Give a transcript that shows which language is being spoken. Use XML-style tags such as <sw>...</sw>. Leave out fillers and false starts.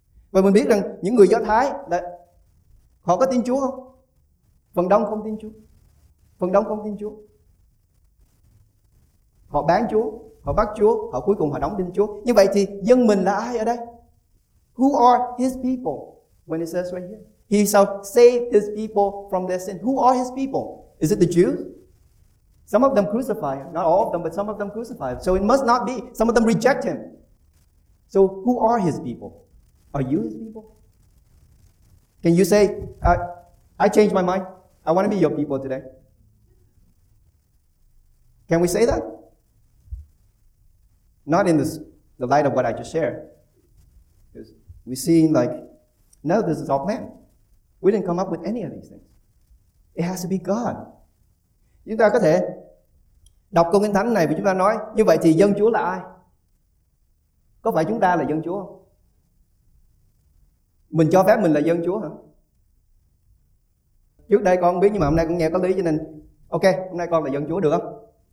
<vi>Và mình biết rằng những người Do Thái là họ có tin Chúa không? Phần đông không tin Chúa. Phần đông không tin Chúa. Họ bán Chúa, họ bắt Chúa, họ cuối cùng họ đóng đinh Chúa. Như vậy thì dân mình là ai ở đây?</vi> <en>Who are his people? When it says right here, he shall save his people from their sin. Who are his people? Is it the Jews? Some of them crucified, not all of them, but some of them crucified. So it must not be. Some of them reject him. So who are his people? Are you his people? Can you say, I changed my mind. I want to be your people today. Can we say that? Not in the light of what I just shared. Because we see like, no, this is all man. We didn't come up with any of these things. It has to be God.</en> <vi>Chúng ta có thể đọc câu Kinh Thánh này và chúng ta nói, như vậy thì dân Chúa là ai? Có phải chúng ta là dân Chúa không? Mình cho phép mình là dân Chúa hả? Trước đây con không biết, nhưng mà hôm nay con nghe có lý cho nên ok, hôm nay con là dân Chúa được không?</vi>